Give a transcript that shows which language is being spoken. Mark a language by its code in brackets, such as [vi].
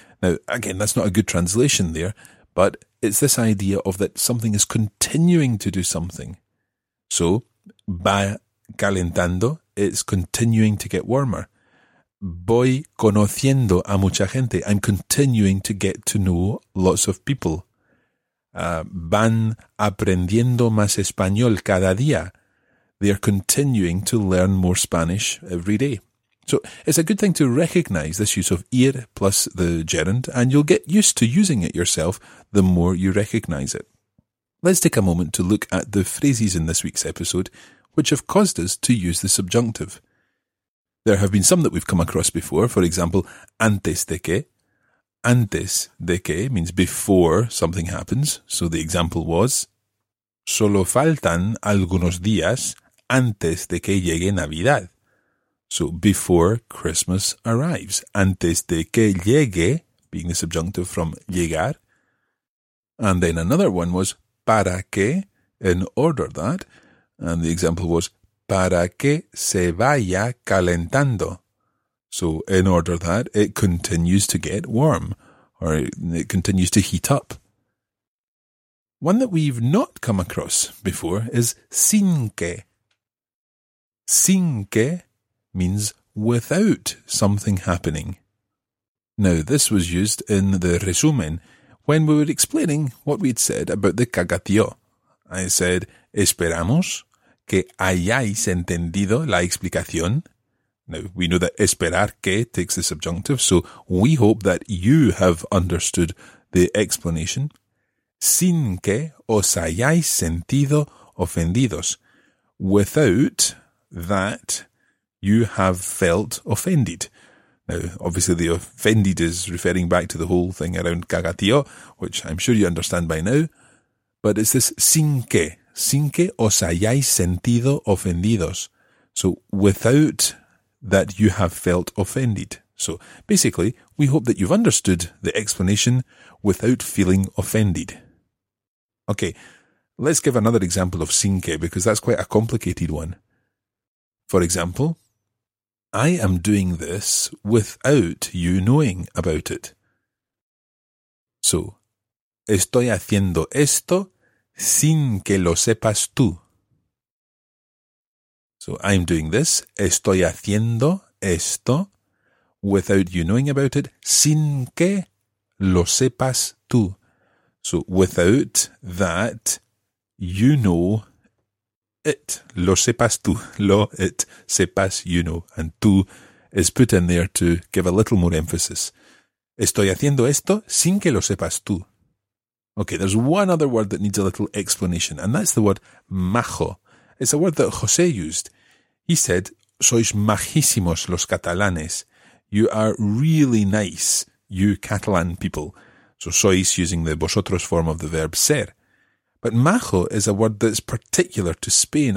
[en] Now, again, that's not a good translation there, but it's this idea of that something is continuing to do something. So, [es] va calentando, [en] it's continuing to get warmer. [es] Voy conociendo a mucha gente, [en] I'm continuing to get to know lots of people. [es] Van aprendiendo más español cada día. [en] They are continuing to learn more Spanish every day. So it's a good thing to recognise this use of [es] ir plus the gerund, [en] and you'll get used to using it yourself the more you recognise it. Let's take a moment to look at the phrases in this week's episode, which have caused us to use the subjunctive. There have been some that we've come across before, for example, [es] antes de que. Antes de que [en] means before something happens, so the example was, [es] solo faltan algunos días antes de que llegue Navidad. [en] So, before Christmas arrives. [es] Antes de que llegue, [en] being the subjunctive from llegar. And then another one was [es] para que, [en] in order that. And the example was [es] para que se vaya calentando. [en] So in order that, it continues to get warm, or it continues to heat up. One that we've not come across before is [es] sin que. Sin que [en] means without something happening. Now, this was used in the resumen when we were explaining what we'd said about the cagatío. I said, [es] esperamos que hayáis entendido la explicación. [en] Now, we know that [es] esperar que [en] takes the subjunctive, so we hope that you have understood the explanation. [es] Sin que os hayáis sentido ofendidos. [en] Without that, you have felt offended. Now, obviously, the offended is referring back to the whole thing around cagatío, which I'm sure you understand by now. But it's this [es] sin que os hayáis sentido ofendidos. [en] So, without that you have felt offended. So, basically, we hope that you've understood the explanation without feeling offended. Okay, let's give another example of sin que, because that's quite a complicated one. For example, I am doing this without you knowing about it. [es] So, estoy haciendo esto sin que lo sepas tú. [en] So, I'm doing this, [es] estoy haciendo esto, [en] without you knowing about it, [es] sin que lo sepas tú. [en] So, without that, you know it, [es] lo sepas tú, [en] lo, it, sepas, you know, and tú is put in there to give a little more emphasis. [es] Estoy haciendo esto sin que lo sepas tú. [en] Okay, there's one other word that needs a little explanation, and that's the word majo. It's a word that José used. He said, [es] sois majísimos los catalanes. [en] You are really nice, you Catalan people. So sois using the vosotros form of the verb ser. But majo is a word that's particular to Spain.